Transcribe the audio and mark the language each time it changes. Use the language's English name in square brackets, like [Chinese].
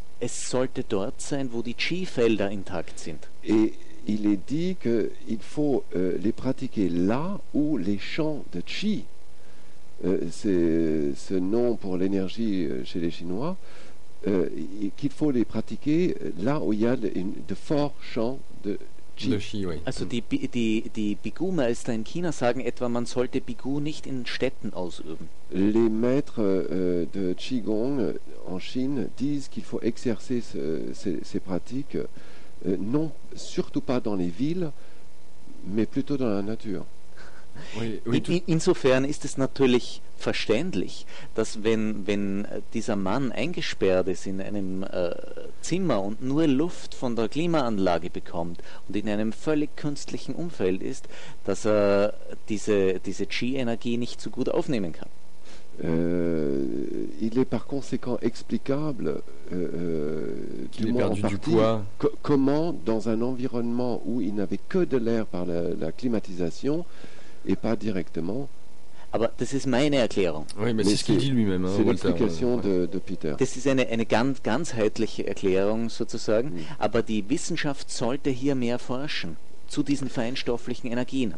[German] Es sollte dort sein, wo die Qi-Felder intakt sind. [French] Et il est dit que il faut les pratiquer là où les champs de Qi, c'est ce nom pour l'énergie chez les Chinois, qu'il faut les pratiquer là où il y a de forts champs de Qi. [German] Also die Bigu-Meister in China sagen etwa, man sollte Bigu nicht in Städten ausüben. [French] Les maîtres de Qigong en Chine disent qu'il faut exercer ces pratiques non surtout pas dans les villes, mais plutôt dans la nature. [German] Insofern ist es natürlich verständlich, dass wenn dieser Mann eingesperrt ist in einem Zimmer und nur Luft von der Klimaanlage bekommt und in einem völlig künstlichen Umfeld ist, dass er diese Qi-Energie nicht so gut aufnehmen kann. [French] Il est par conséquent explicable du moins en partie, du poids. Comment dans un environnement où il n'avait que de l'air par la climatisation et pas directement. [German] Aber das ist meine Erklärung. [French] Oui, mais c'est ce qu'il dit lui-même, hein, c'est l'explication de Peter. [German] Das ist eine ganzheitliche Erklärung sozusagen, aber die Wissenschaft sollte hier mehr forschen zu diesen feinstofflichen Energien.